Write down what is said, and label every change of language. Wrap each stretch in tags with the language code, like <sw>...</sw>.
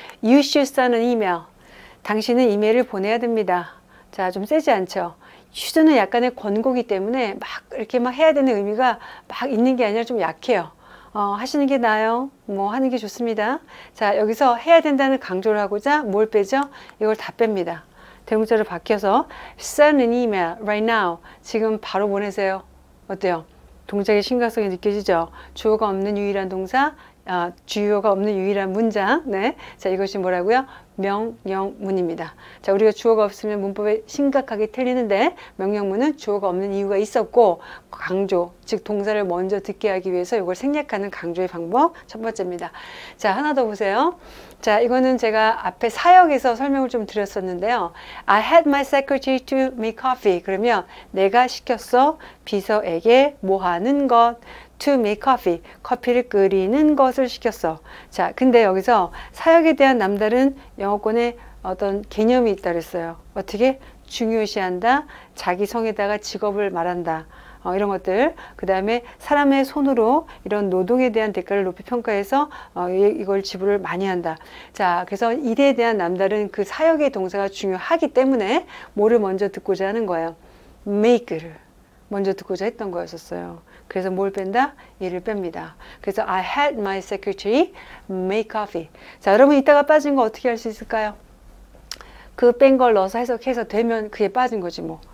<en>You should</en> <ko>써는 이메일. 당신은 이메일을 보내야 됩니다. 자, 좀 세지 않죠? should는 약간의 권고기 때문에 막 이렇게 막 해야 되는 의미가 막 있는 게 아니라 좀 약해요. 하시는 게 나아요. 뭐 하는 게 좋습니다. 자, 여기서 해야 된다는 강조를 하고자 뭘 빼죠? 이걸 다 뺍니다. 대문자로 바뀌어서</ko> <en>send an email right now.</en> <ko>지금 바로 보내세요. 어때요? 동작의 심각성이 느껴지죠? 주어가 없는 유일한 동사, 주어가 없는 유일한 문장. 네. 자, 이것이 뭐라고요? 명령문입니다. 자, 우리가 주어가 없으면 문법에 심각하게 틀리는데 명령문은 주어가 없는 이유가 있었고 강조, 즉 동사를 먼저 듣게 하기 위해서 이걸 생략하는 강조의 방법 첫 번째입니다. 자, 하나 더 보세요. 자, 이거는 제가 앞에 사역에서 설명을 좀 드렸었는데요.</ko> <en>I had my secretary to make coffee.</en> <ko>그러면 내가 시켰어 비서에게 뭐 하는 것?</ko> <en>To make coffee.</en> <ko>커피를 끓이는 것을 시켰어. 자, 근데 여기서 사역에 대한 남다른 영어권의 어떤 개념이 있다고 했어요. 어떻게? 중요시한다. 자기 성에다가 직업을 말한다. 이런 것들. 그 다음에 사람의 손으로 이런 노동에 대한 대가를 높이 평가해서 이걸 지불을 많이 한다. 자, 그래서 일에 대한 남다른 그 사역의 동사가 중요하기 때문에 뭐를 먼저 듣고자 하는 거예요? Make를 먼저 듣고자 했던 거였었어요. 그래서 뭘 뺀다? 얘를 뺍니다. 그래서</ko> <en>I had my secretary make coffee.</en> <ko>자, 여러분 이따가 빠진 거 어떻게 할수 있을까요? 그뺀걸 넣어서 해석해서 되면 그게 빠진 거지 뭐.</ko>